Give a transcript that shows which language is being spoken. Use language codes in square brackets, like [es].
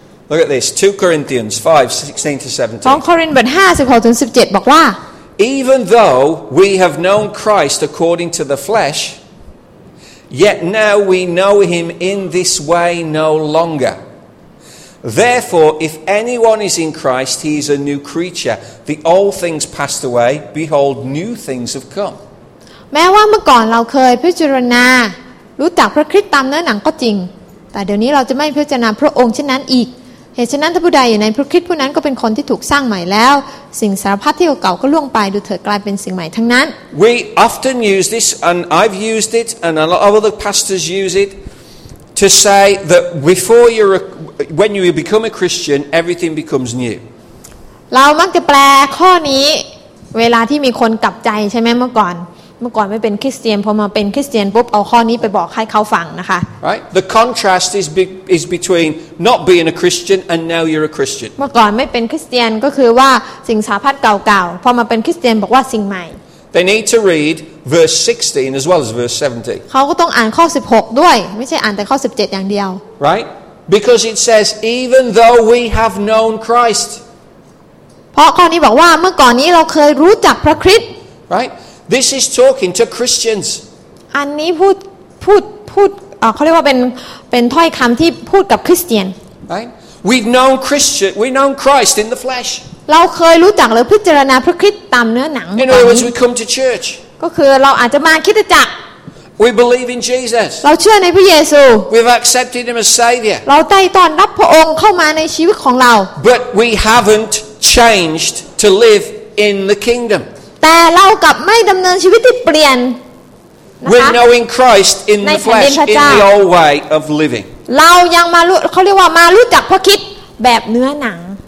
[en] Look at this 2 Corinthians 5 16 to 17 [th] 2 โครินธ์บทที่5 16ถึง17บอกว่า [en] Even though we have known Christ according to the flesh yet now we know him in this way no longerTherefore, if anyone is in Christ, he is a new creature. The old things passed away. Behold, new things have come. [th] แม้ว่าเมื่อก่อนเราเคยพิจารณารู้จักพระคริสต์ตามเนื้อหนังก็จริงแต่เดี๋ยวนี้เราจะไม่พิจารณาพระองค์เช่นนั้นอีกเหตุฉะนั้นถ้าผู้ใดอยู่ในพระคริสต์ผู้นั้นก็เป็นคนที่ถูกสร้างใหม่แล้วสิ่งสารพัดที่เก่าก็ล่วงไปดูเถิดกลายเป็นสิ่งใหม่ทั้งนั้น [en] We often use this, and I've used it, and a lot of other pastors use it. To say that before you're when you become a Christian, everything becomes new. [th] เรามักจะแปลข้อนี้เวลาที่มีคนกลับใจใช่ไหมเมื่อก่อนไม่เป็นคริสเตียนพอมาเป็นคริสเตียนปุ๊บเอาข้อนี้ไปบอกให้เขาฟังนะคะ [en] Right. The contrast is between not being a Christian and now you're a Christian. [th] เมื่อก่อนไม่เป็นคริสเตียนก็คือว่าสิ่งสารพัดเก่าๆพอมาเป็นคริสเตียนบอกว่าสิ่งใหม่ [en] They need to read verse 16 as well as verse 17. [th] เขาก็ต้องอ่านข้อ16ด้วยไม่ใช่อ่านแต่ข้อ17อย่างเดียว [en] Right? Because it says even though we have known Christ. [th] เพราะข้อนี้บอกว่าเมื่อก่อนนี้เราเคยรู้จักพระคริสต์ [en] Right? This is talking to Christians. [th] อันนี้พูดเขาเรียกว่าเป็นถ้อยคำที่พูดกับคริสเตียน [en] Right? We've known Christ in the flesh. [th] เราเคยรู้จักหรือพิจารณาพระคริสต์ตามเนื้อหนัง [en] ก่อน In other words, we come to church. [th] ก็คือเราอาจจะมาคริสตจักร [en] We believe in Jesus. [th] เราเชื่อในพระเยซู [en] We've accepted him as savior. [th] เราได้ต้อนรับพระองค์เข้ามาในชีวิตของเรา [en] But we haven't changed to live in the kingdom. [th] แต่เรากลับไม่ดำเนินชีวิตที่เปลี่ยน [en] We're knowing Christ in the flesh in the old way of living. [th] เรายังมารู้เขาเรียกว่ามารู้จักพระคิดแบบเนื้อหนัง